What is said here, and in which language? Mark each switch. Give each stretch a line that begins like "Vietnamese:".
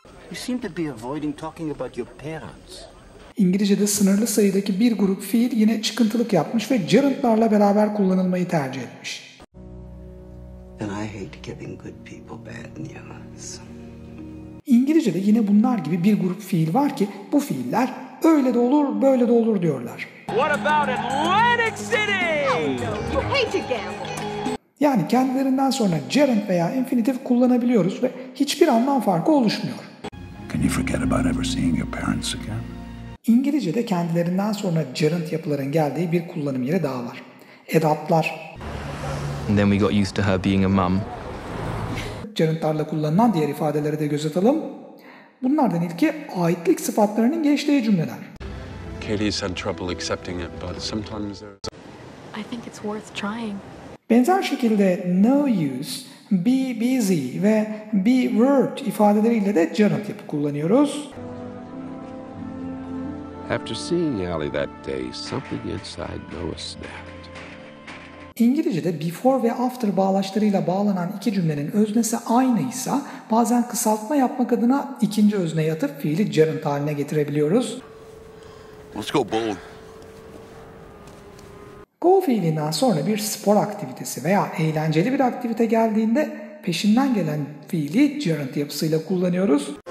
English: You seem to be avoiding talking about your parents.
Turkish: İngilizce'de sınırlı sayıdaki bir grup fiil yine çıkıntılık yapmış ve gerund'larla beraber kullanılmayı tercih etmiş.
English: And I hate giving good people bad news.
Turkish: İngilizce'de yine bunlar gibi bir grup fiil var ki bu fiiller öyle de olur, böyle de olur diyorlar.
English: What about Atlantic City? Oh, you hate to gamble.
Turkish: Yani kendilerinden sonra gerund veya infinitive kullanabiliyoruz ve hiçbir anlam farkı oluşmuyor.
English: Can you forget about ever seeing your parents again?
Turkish: İngilizce'de kendilerinden sonra gerund yapıların geldiği bir kullanım yeri daha var. Edatlar.
English: And then we got used to her being a mum.
Turkish: Gerundlarla kullanılan diğer ifadelere de göz atalım. Bunlardan ilki aitlik sıfatlarının geçtiği cümleler.
English: Katie's had trouble accepting it, but sometimes there's... I think it's worth trying.
Turkish: Benzer şekilde no use, be busy ve be worried ifadeleriyle de canım tipi kullanıyoruz.
English: After seeing Allie that day, something inside Noah snapped.
Turkish: İngilizce'de before ve after bağlaçlarıyla bağlanan iki cümlenin öznesi aynıysa, bazen kısaltma yapmak adına ikinci özneye atıp fiili gerund haline getirebiliyoruz.
English: Let's go bowling.
Turkish: Go fiilinden sonra bir spor aktivitesi veya eğlenceli bir aktivite geldiğinde peşinden gelen fiili gerund yapısıyla kullanıyoruz.